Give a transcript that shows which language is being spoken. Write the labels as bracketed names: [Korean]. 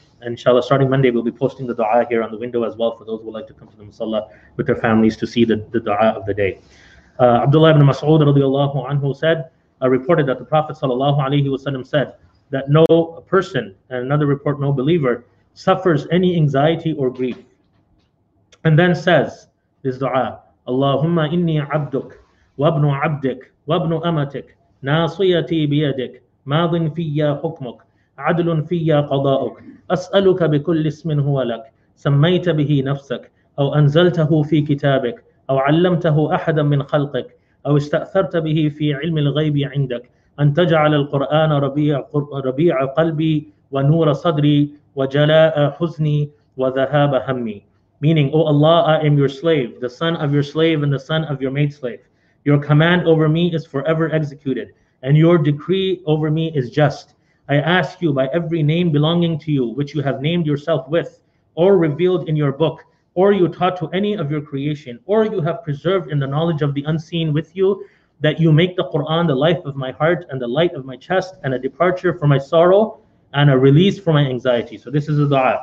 [English] And inshallah, starting Monday, we'll be posting the dua here on the window as well for those who would like to come to the musalla with their families to see the dua of the day. Abdullah ibn Mas'ud radiallahu anhu said, reported that the Prophet sallallahu alayhi wasallam said that no person, and another report, no believer, suffers any anxiety or grief. And then says this dua, [Arabic] Allahumma inni abduk, wabnu abdik, wabnu amatik, nasiyati biyadik, madin fiyya hukmuk, عدل في قضاءك أسألك بكل اسم هو لك سميت به نفسك أو أنزلته في كتابك أو علمته أحدا من خلقك أو استأثرت به في علم الغيب عندك أن تجعل القرآن ربيع قلبي ونور صدري وجلاء حزني وذهاب همي. [English] Meaning, O Allah, I am your slave, the son of your slave and the son of your maid slave. Your command over me is forever executed, and your decree over me is just. I ask you by every name belonging to you, which you have named yourself with, or revealed in your book, or you taught to any of your creation, or you have preserved in the knowledge of the unseen with you, that you make the Quran the life of my heart and the light of my chest and a departure for my sorrow and a release for my anxiety. So this is a dua.